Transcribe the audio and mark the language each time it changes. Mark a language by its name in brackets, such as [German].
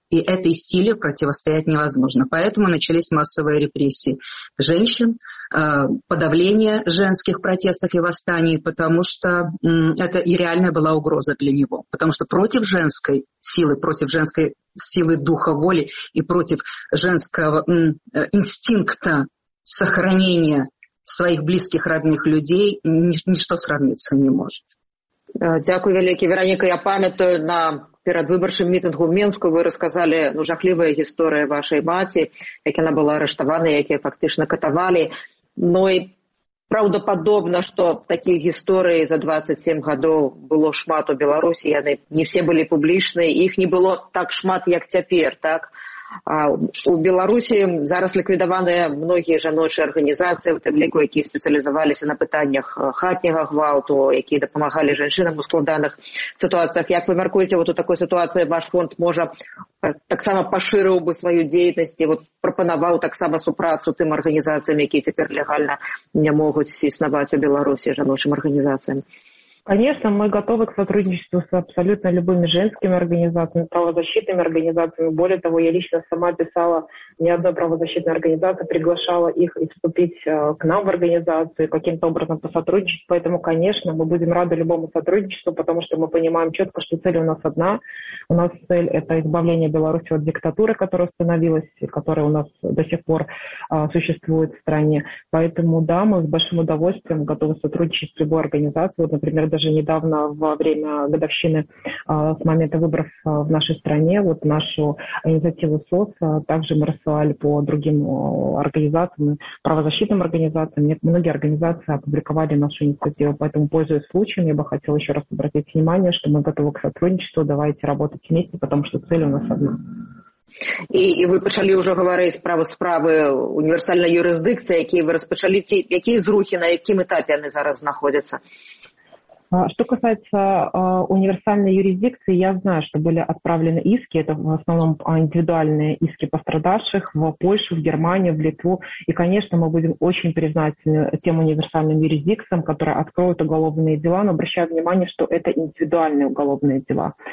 [Russian] И этой силе противостоять невозможно. Поэтому начались массовые репрессии женщин, подавление женских протестов и восстаний, потому что это и реальная была угроза для него. Потому что против женской силы, против женской силы духа воли и против женского инстинкта сохранения своих близких, родных людей ничто сравниться не может. [Belarusian] Дякую вялікі. Вераніка, я памятаю, на перадвыбарчым мітынгу ў Мінску вы расказалі жахлівая гісторыя вашай маці, як яна была арыштавана, якія фактычна катавалі. Ну і праўдападобна, што такіх гісторый за 27 гадоў было шмат у Беларусі, яны не все былі публічныя, іх не было так шмат, як цяпер, так? А у Беларусі зараз ліквідаваныя многія жаночыя арганізацыі, у тым ліку, якія спецыялізаваліся на пытаннях хатняга гвалту, якія дапамагалі жанчынам у складаных сітуацыях. Як вы мяркуеце, вот у такой сітуацыі ваш фонд можа таксама пашырыў бы сваю дзейнасць, вот прапанаваў таксама супрацу тым арганізацыям, якія цяпер легальна не могуць існаваць у Беларусі жаночым арганізацыям? [Russian] Конечно, мы готовы к сотрудничеству с абсолютно любыми женскими организациями, правозащитными организациями. Более того, я лично сама писала, ни одна правозащитная организация приглашала их и вступить к нам в организацию, каким-то образом посотрудничать. Поэтому, конечно, мы будем рады любому сотрудничеству, потому что мы понимаем четко, что цель у нас одна. У нас цель – это избавление Беларуси от диктатуры, которая установилась, и которая у нас до сих пор существует в стране. Поэтому, да, мы с большим удовольствием готовы сотрудничать с любой организацией. Вот, например, даже недавно во время годовщины с момента выборов в нашей стране вот нашу инициативу СОС также мы рассылали по другим организациям, правозащитным организациям. Многие организации опубликовали нашу инициативу, поэтому, пользуясь случаем, я бы хотела еще раз обратить внимание, что мы готовы к сотрудничеству, давайте работать вместе, потому что цель у нас одна. [Belarusian] І ви почали вже говорити про справи універсальної юрисдикції, які ви розпочали, які зрухи, на якому етапі вони зараз знаходяться? [Russian] Что касается универсальной юрисдикции, я знаю, что были отправлены иски, это в основном индивидуальные иски пострадавших в Польшу, в Германию, в Литву. И, конечно, мы будем очень признательны тем универсальным юрисдикциям, которые откроют уголовные дела, но обращаю внимание, что это индивидуальные уголовные дела.